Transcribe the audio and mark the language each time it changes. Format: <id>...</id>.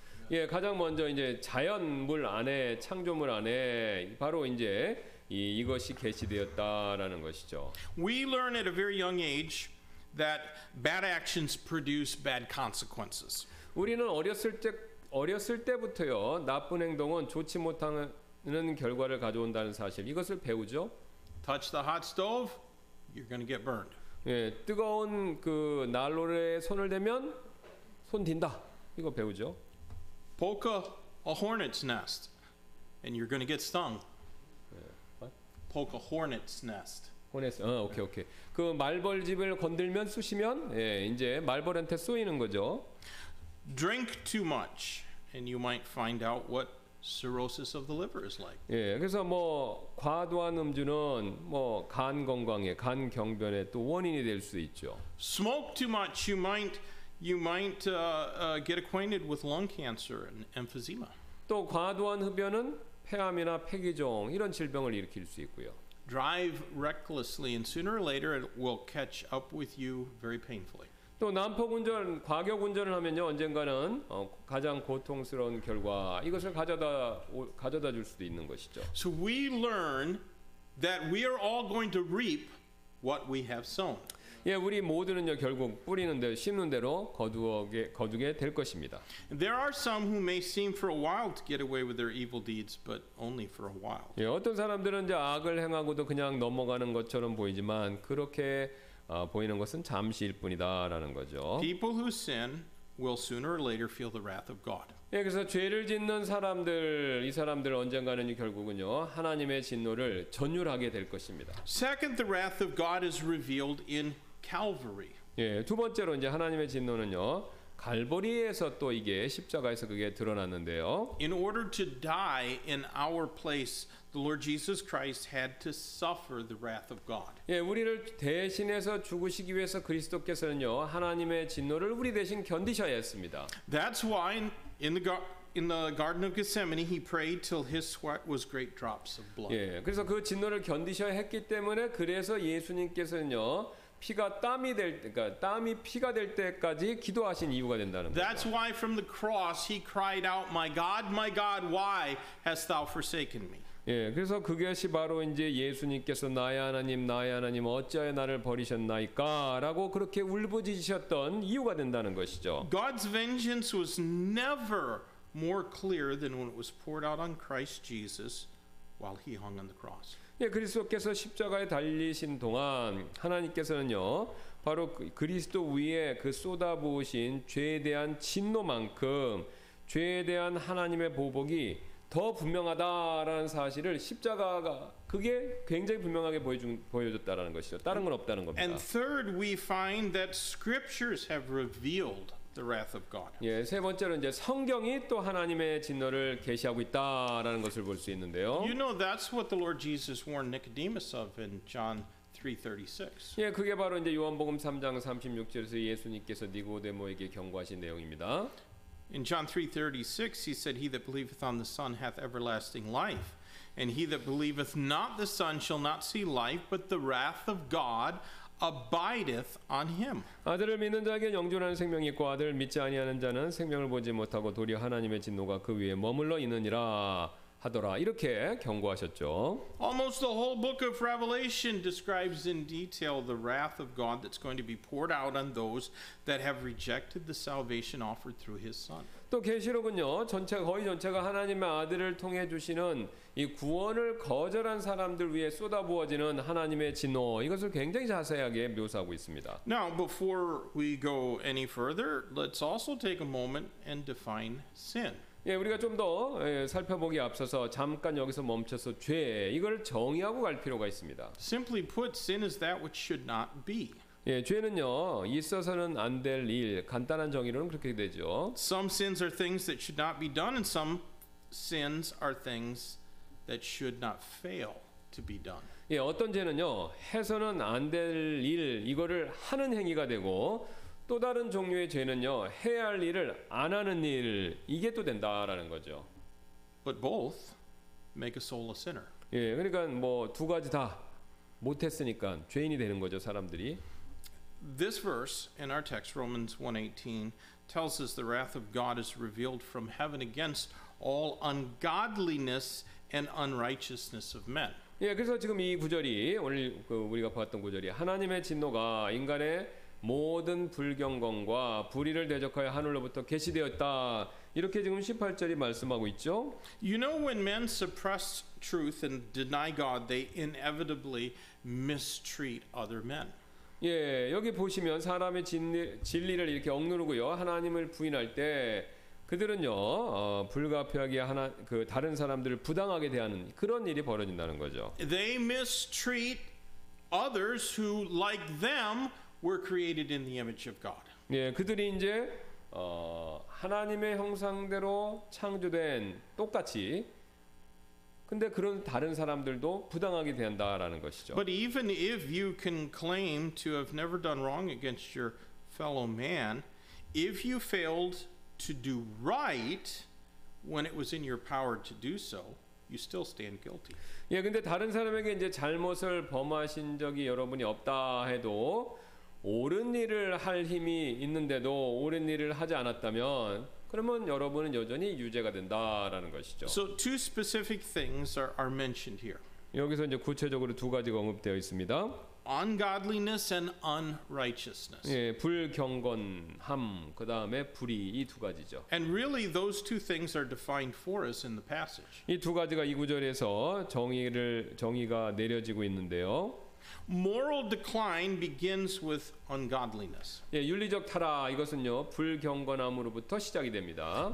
<ko>예, 가장 먼저 이제 자연물 안에 창조물 안에 바로 이제 이것이 계시되었다라는 것이죠.</ko> <en>We learn at a very young age that bad actions produce bad consequences.</en> <ko>우리는 어렸을 때부터요 나쁜 행동은 좋지 못하는 결과를 가져온다는 사실 이것을 배우죠.</ko> <en>Touch the hot stove, you're going to get burned.</en> <ko>예, 뜨거운 그 난로에 손을 대면 손 딘다. 이거 배우죠.</ko> <en>Poke a hornet's nest, and you're going to get stung. What? Poke a hornet's nest.</en> <ko>Hornet. 어, 오케이, 오케이. 그 말벌 집을 건들면 쑤시면, 예, 이제 말벌한테 쑤이는 거죠.</ko> <en>Drink too much, and you might find out what cirrhosis of the liver is like.</en> <ko>예, 그래서 뭐 과도한 음주는 뭐 간 건강에, 간 경변에 또 원인이 될 수 있죠.</ko> <en>Smoke too much, you might get acquainted with lung cancer and emphysema.</en> <ko>또 과도한 흡연은 폐암이나 폐기종 이런 질병을 일으킬 수 있고요.</ko> <en>Drive recklessly and sooner or later it will catch up with you very painfully.</en> <ko>또 난폭 운전, 과격 운전을 하면요 언젠가는 가장 고통스러운 결과 이것을 가져다 줄 수도 있는 것이죠.</ko> <en>So we learn that we are all going to reap what we have sown.</en> <ko>예, 우리 모두는요 결국 뿌리는 대로 심는 대로 거두게 될 것입니다.</ko> <en>There are some who may seem for a while to get away with their evil deeds, but only for a while.</en> <ko>예, 어떤 사람들은 이제 악을 행하고도 그냥 넘어가는 것처럼 보이지만 그렇게 보이는 것은 잠시일 뿐이다라는 거죠.</ko> <en>People who sin will sooner or later feel the wrath of God.</en> <ko>예, 그래서 죄를 짓는 사람들, 이 사람들 언젠가는 결국은요 하나님의 진노를 전율하게 될 것입니다.</ko> <en>Second, the wrath of God is revealed in Calvary.</en> <ko>예, 두 번째로 이제 하나님의 진노는요 갈보리에서 또 이게 십자가에서 그게 드러났는데요.</ko> <en>In order to die in our place, the Lord Jesus Christ had to suffer the wrath of God.</en> <ko>예, 우리를 대신해서 죽으시기 위해서 그리스도께서는요 하나님의 진노를 우리 대신 견디셔야 했습니다.</ko> <en>That's why in the Garden of Gethsemane, he prayed till his sweat was great drops of blood.</en> <ko>예, 그래서 그 진노를 견디셔야 했기 때문에 그래서 예수님께서는요 피가 땀이 될, 그러니까 땀이 피가 될 때까지 기도하신 이유가 된다는 거예요.</ko> <en>That's why from the cross he cried out, my God, why hast thou forsaken me?</en> <ko>예, 그래서 그것이 바로 이제 예수님께서 나의 하나님, 어찌하여 나를 버리셨나이까라고 그렇게 울부짖으셨던 이유가 된다는 것이죠.</ko> <en>God's vengeance was never more clear than when it was poured out on Christ Jesus while he hung on the cross.</en> <ko>예, 그리스도께서 십자가에 달리신 동안 하나님께서는요, 바로 그리스도 위에 그 쏟아부으신 죄에 대한 진노만큼 죄에 대한 하나님의 보복이 더 분명하다라는 사실을 십자가가 그게 굉장히 분명하게 보여줬다라는 것이죠. 다른 건 없다는 겁니다.</ko> <en>And third, we find that scriptures have revealed the wrath of God.</en> <ko>예, 세 번째로 이제 성경이 또 하나님의 진노를 계시하고 있다라는 것을 볼 수 있는데요.</ko> <en>You know that's what the Lord Jesus warned Nicodemus of in John 3:36.</en> <ko>예, 그게 바로 이제 요한복음 3장 36절에서 예수님께서 니고데모에게 경고하신 내용입니다.</ko> <en>In John 3:36, he said, "He that believeth on the Son hath everlasting life, And he that believeth not the Son shall not see life, but the wrath of God abideth on him.</en> <ko>아들을 믿는 자에게 영존하는 생명이 있고 아들을 믿지 아니하는 자는 생명을 보지 못하고 도리어 하나님의 진노가 그 위에 머물러 있느니라 하더라. 이렇게 경고하셨죠.</ko> <en>Almost the whole book of Revelation describes in detail the wrath of God that's going to be poured out on those that have rejected the salvation offered through his son.</en> <ko>또 계시록은요. 전체 거의 전체가 하나님의 아들을 통해 주시는 이 구원을 거절한 사람들 위해 쏟아부어지는 하나님의 진노 이것을 굉장히 자세하게 묘사하고 있습니다.</ko> <en>Now before we go any further, let's also take a moment and define sin.</en> <ko>예, 우리가 좀 더 살펴보기 앞서서 잠깐 여기서 멈춰서 죄 이걸 정의하고 갈 필요가 있습니다.</ko> <en>Simply put, sin is that which should not be.</en> <ko>예, 죄는요 있어서는 안 될 일. 간단한 정의로는 그렇게 되죠.</ko> <en>Some sins are things that should not be done, and some sins are things that should not fail to be done.</en> <ko>예, 어떤 죄는요 해서는 안 될 일 이거를 하는 행위가 되고. 또 다른 종류의 죄는요 해야 할 일을 안 하는 일 이게 또 된다라는 거죠.</ko> <en>But both make a soul a sinner.</en> <ko>예, 그러니까 뭐 두 가지 다 못했으니까 죄인이 되는 거죠 사람들이.</ko> <en>This verse in our text, Romans 1:18, tells us the wrath of God is revealed from heaven against all ungodliness and unrighteousness of men.</en> <ko>예, 그래서 지금 이 구절이 오늘 그 우리가 봤던 구절이 하나님의 진노가 인간의 모든 불경건과 불의를 대적하여 하늘로부터 계시되었다. 이렇게 지금 18절이 말씀하고 있죠.</ko> <en>You know when men suppress truth and deny God, they inevitably mistreat other men.</en> <ko>예, 여기 보시면 사람의 진리를 이렇게 억누르고요. 하나님을 부인할 때 그들은요. 불가피하게 하나 그 다른 사람들을 부당하게 대하는 그런 일이 벌어진다는 거죠.</ko> <en>They mistreat others who like them were created in the image of God.</en> <ko>예, 그들이 이제 하나님의 형상대로 창조된 똑같이 근데 그런 다른 사람들도 부당하게 대한다라는 것이죠.</ko> <en>But even if you can claim to have never done wrong against your fellow man, if you failed to do right when it was in your power to do so, you still stand guilty.</en> <ko>예, 근데 다른 사람에게 이제 잘못을 범하신 적이 여러분이 없다 해도 옳은 일을 할 힘이 있는데도 옳은 일을 하지 않았다면 그러면 여러분은 여전히 유죄가 된다라는 것이죠.</ko> <en>So two specific things are mentioned here.</en> <ko>여기서 이제 구체적으로 두 가지가 언급되어 있습니다.</ko> <en>Ungodliness and unrighteousness.</en> <ko>예, 불경건함 그다음에 불의 이 두 가지죠.</ko> <en>And really those two things are defined for us in the passage.</en> <ko>이 두 가지가 이 구절에서 정의가 내려지고 있는데요.</ko> <en>Moral decline begins with ungodliness.</en> <ko>예, 윤리적 타락 이것은요 불경건함으로부터 시작이 됩니다.</ko>